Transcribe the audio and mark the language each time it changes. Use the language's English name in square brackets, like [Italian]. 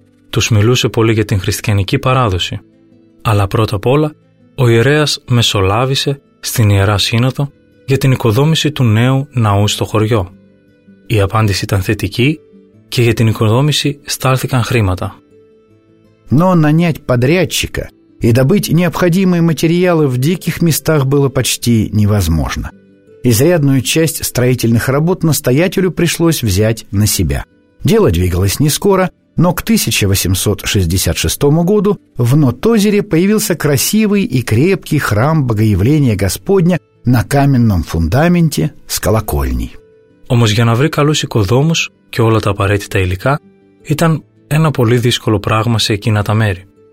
[Greek] Τους μιλούσε πολύ για την χριστιανική παράδοση. Αλλά πρώτα απ' όλα, ο ιερέας μεσολάβησε στην Ιερά Σύνοδο για την οικοδόμηση του νέου ναού στο χωριό. Η απάντηση ήταν θετική και για την οικοδόμηση στάλθηκαν χρήματα. [Russian] Но нанять подрядчика и добыть необходимые материалы в диких местах было почти невозможно. Изрядную часть строительных работ настоятелю пришлось взять на себя. Дело двигалось не скоро, но к 1866 году в Нотозере появился красивый и крепкий храм Богоявления Господня на каменном фундаменте с колокольней. [Greek] Όμως για να βρει καλούς οικοδόμους και όλα τα απαραίτητα υλικά ήταν ένα πολύ δύσκολο πράγμα σε εκείνα τα μέρη.